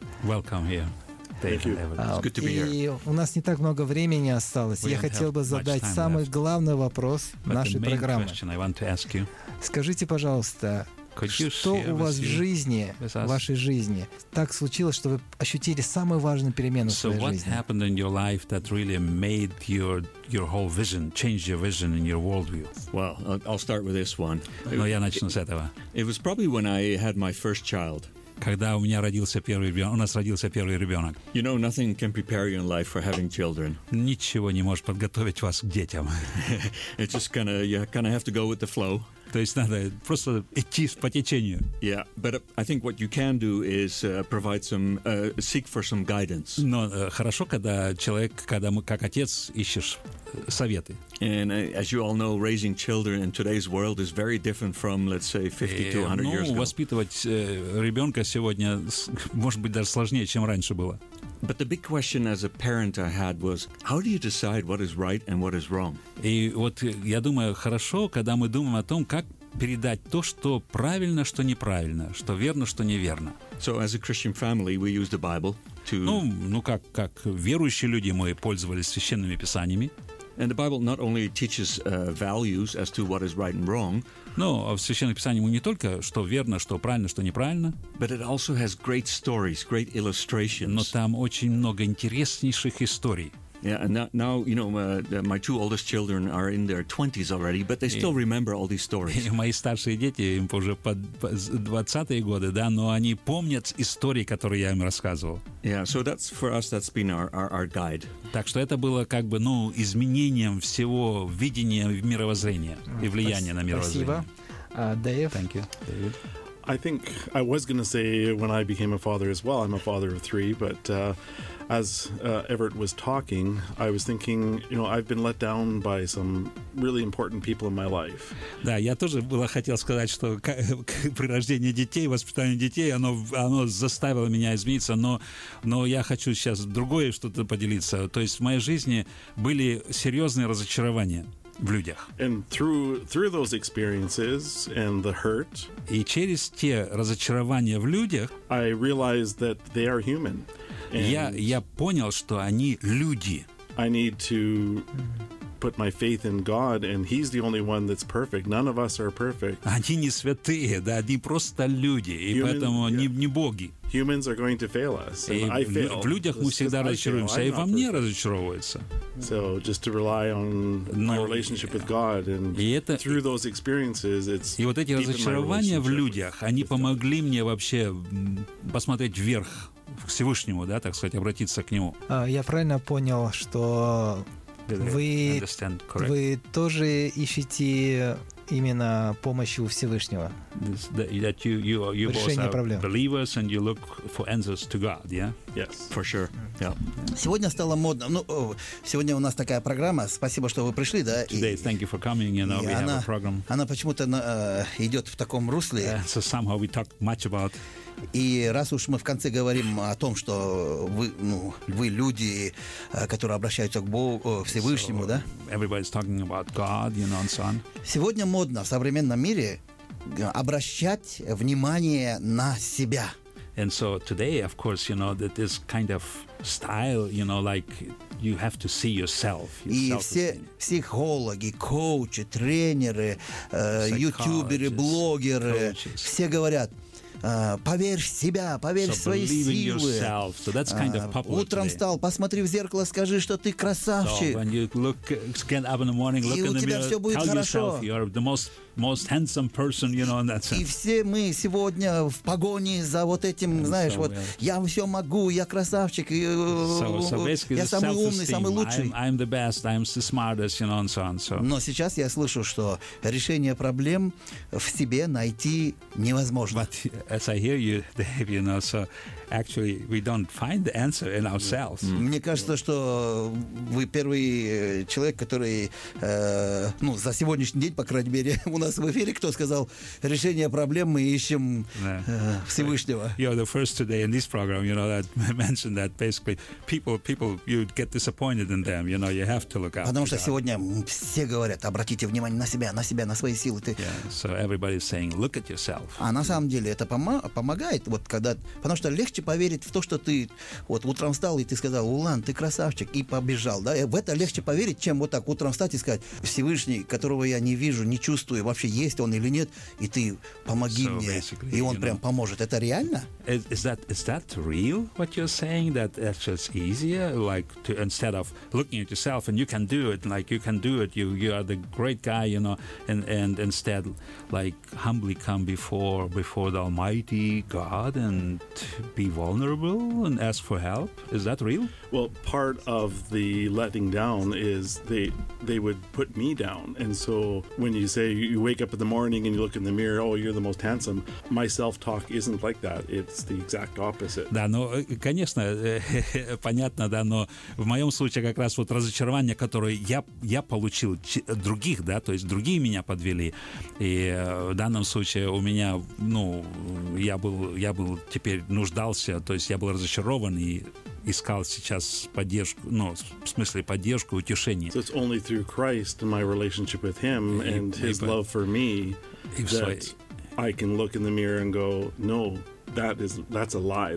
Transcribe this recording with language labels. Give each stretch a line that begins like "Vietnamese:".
English: Welcome here. Thank you. It's good to be here.
Russian: И у нас не так много времени осталось. Я хотел бы задать самый главный вопрос нашей программы. Скажите, пожалуйста, что у вас в жизни, в вашей жизни, так случилось, что вы ощутили самую важную перемену в своей жизни?
English: So what happened in your life that really made your whole vision, changed your vision and your worldview? Well, I'll start with this one.
Russian: Но я начну с этого.
English: It was probably when I had my first child.
Russian: Когда у меня родился первый ребенок, у нас родился первый ребенок.
English: You know, nothing can prepare you in life for having children.
Russian: Ничего не может подготовить вас к детям.
English: It's just kind of, you kind of have to go with the flow.
Russian: То есть надо просто идти по течению.
English: Yeah, but I think what you can do is provide some, seek for some guidance.
Russian: Но хорошо, когда человек, когда мы как отец ищешь советы.
English: And as you all know, raising children in today's world is very different from, let's say, 50-100 years ago.
Russian: Ну, воспитывать ребенка сегодня может быть даже сложнее, чем раньше было.
English: But the big question as a parent I had was, how do you decide what is right and what is wrong?
Russian: И вот я думаю, хорошо, когда мы думаем о том, как передать то, что правильно, что неправильно, что верно, что неверно.
English: So as a Christian family, we use the Bible to...
Russian: Как верующие люди мы пользовались священными писаниями.
English: And the Bible not only teaches values as to what is right and wrong.
Russian: Ну, в Священном Писании мы не только, что верно, что правильно, что неправильно.
English: But it also has great stories, great illustrations.
Russian: Но там очень много интереснейших историй.
English: Yeah, and now you know my two oldest children are in their 20s already, but they still remember all these stories.
Russian: Мои старшие дети, им уже под 20-е годы, да, но они помнят истории, которые я им рассказывал.
English: Yeah, so that's for us, that's been our guide.
Russian: Так что это было как бы, ну, изменением всего видения мировоззрения и влияния на мировоззрение. Спасибо. Дэйв.
English: Thank you, David. I think I was going to say when I became a father as well. I'm a father of three, but as Everett was talking, I was thinking, you know, I've been let down by some really important people in my life.
Russian: Да, я тоже хотел сказать, что при рождении детей, воспитание детей, оно заставило меня измениться, но я хочу сейчас другое что-то поделиться. То есть в моей жизни были серьезные разочарования. В людях.
English: And through those experiences and the hurt,
Russian: и через те разочарования в людях,
English: I realized that they are human.
Russian: Я понял, что они люди.
English: I need to put my faith in God, and He's the only one that's perfect. None of us are perfect.
Russian: Они не святые, да, они просто люди, и
English: human,
Russian: поэтому не боги.
English: Humans are going to fail us.
Russian: В людях мы всегда разочаруемся, и во мне разочаровываются.
English: So just to rely on my relationship with God and through those experiences, it's
Russian: и вот эти разочарования в людях, они помогли мне вообще посмотреть вверх к Всевышнему, да, так сказать, обратиться к Нему. Я правильно понял, что вы тоже ищете именно помощи у Всевышнего.
English: That you both are believers and you look for answers to God, yeah? Yes, for sure. Yeah.
Russian: Сегодня стало модно. Ну, сегодня у нас такая программа. Спасибо, что вы пришли, да?
English: Today, thank you for coming. You know, we have a program.
Russian: Она почему-то идет в таком русле.
English: So somehow we talk much about.
Russian: И раз уж мы в конце говорим о том, что вы, ну, вы люди, которые обращаются к Богу, Всевышнему,
English: so,
Russian: да?
English: Everybody's talking about God, you know, and so on.
Russian: Сегодня модно в современном мире обращать внимание на себя.
English: And so today, of course, you know, that this kind of style, you know, like you have to see yourself.
Russian: И все психологи, коучи, тренеры, ютуберы, блогеры, coaches. Все говорят... поверь в себя, поверь
English: so
Russian: в свои силы.
English: Yourself, so that's kind of popular.
Russian: Утром встал, посмотри в зеркало, скажи, что ты красавчик.
English: So when you look, get up in the morning, look
Russian: и
English: in the mirror,
Russian: тебя все будет
English: tell
Russian: хорошо.
English: Yourself you are the most most handsome person, you know, in that sense.
Russian: И все мы сегодня в погоне за вот этим, and знаешь, so вот я все могу, я красавчик, я самый умный, самый лучший.
English: I'm the best, I'm the smartest, you know, and so on. So.
Russian: Но сейчас я слышу, что решение проблем в себе найти невозможно.
English: But as I hear you, Dave, you know, so actually we don't find the answer in ourselves. Mm.
Russian: Мне кажется, что вы первый человек, который, ну, за сегодняшний день, по крайней мере, у нас в эфире, кто сказал, решение проблем мы ищем Всевышнего.
English: You're the first today in this program, you know, that mentioned that basically people you get disappointed in them, you know, you have to look up.
Russian: Потому что сегодня все говорят, обратите внимание на себя, на свои силы.
English: Yeah, so everybody's saying, look at yourself.
Russian: А на самом деле это помогает, вот когда, потому что легче поверить в то, что ты вот утром встал и ты сказал, Улан, ты красавчик, и побежал, да? В это легче поверить, чем вот так утром встать и сказать, Всевышний, которого я не вижу, не чувствую, вообще есть он или нет, и ты помоги
English: so
Russian: мне, и он прям поможет. Это реально?
English: Is that real, what you're saying, that it's just easier, like, to, instead of looking at yourself, and you can do it, like, you can do it, you are the great guy, you know, and instead, like, humbly come before the Almighty God, and be vulnerable and ask for help? Is that real? Well, part of the letting down is they would put me down. And so when you say you wake up in the morning and you look in the mirror, oh, you're the most handsome, my self-talk isn't like that. It's the exact opposite.
Russian: Да, ну, конечно, понятно, да, но в моем случае как раз вот разочарование, которое я получил других, да, то есть другие меня подвели. И в данном случае у меня, ну, я был теперь нуждался, то есть я был разочарован и искал сейчас поддержку, ну, в смысле поддержку, утешение.
English: So it's only through Christ and my relationship with him and his love for me that I can look in the mirror and go, no, that's a lie.